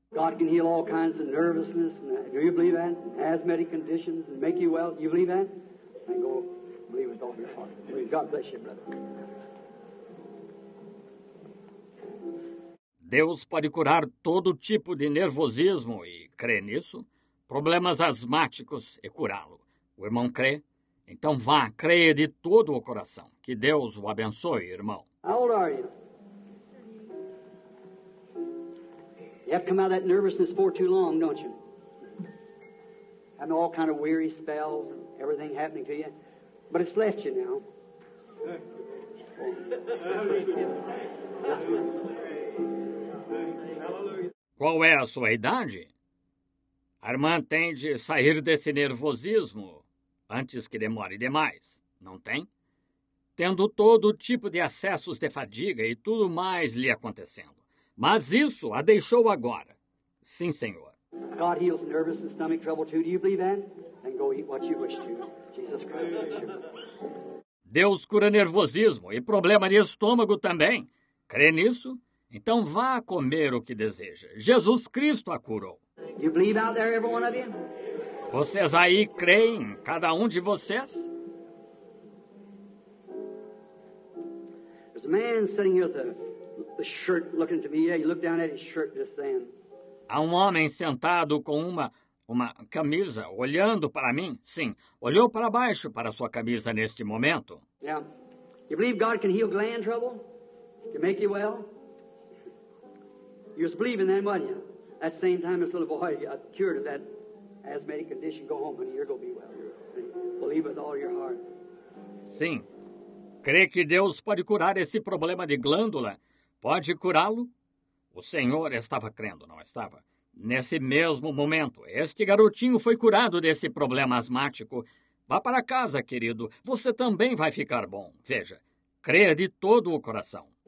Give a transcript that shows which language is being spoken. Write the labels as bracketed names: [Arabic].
[English] God can heal all kinds of nervousness. Do you believe that? Asthmatic conditions and make you well. Do you believe that? And go believe with all your heart. Believe. God bless you, brother. [Portuguese] Deus pode curar todo tipo de nervosismo e crê nisso. Problemas asmáticos e curá-lo. O irmão crê? Então vá, creia de todo o coração. Que Deus o abençoe, irmão. [English] How old are you? You have to come out of that nervousness for too long, don't you? Having all kind of weary spells and everything happening to you. But it's left you now. [Portuguese] Qual é a sua idade? A irmã tem de sair desse nervosismo antes que demore demais, não tem? Tendo todo tipo de acessos de fadiga e tudo mais lhe acontecendo. Mas isso a deixou agora. Sim, Senhor. [English] God heals nervous and stomach trouble too. Do you believe that? Then go eat what you wish to. Jesus Christ. [Portuguese] Deus cura nervosismo e problema de estômago também. Crê nisso? Então vá comer o que deseja. Jesus Cristo a curou. [English] You believe out there, every one of you? [Portuguese] Vocês aí creem, cada um de vocês? [English] There's a man sitting here with the shirt looking to me. Yeah, you look down at his shirt just then. [Portuguese] Há um homem sentado com uma camisa olhando para mim. Sim, olhou para baixo para sua camisa neste momento. [English] Yeah. You believe God can heal gland trouble? Can make you well? You was believing then, wasn't you? That same time this little boy got cured of that asthmatic condition. Go home and you're going to be well. Believe with all your heart. [Portuguese] Sim. Crê que Deus pode curar esse problema de glândula? Pode curá-lo? O Senhor estava crendo, não estava? Nesse mesmo momento, este garotinho foi curado desse problema asmático. Vá para casa, querido. Você também vai ficar bom. Veja, creia de todo o coração.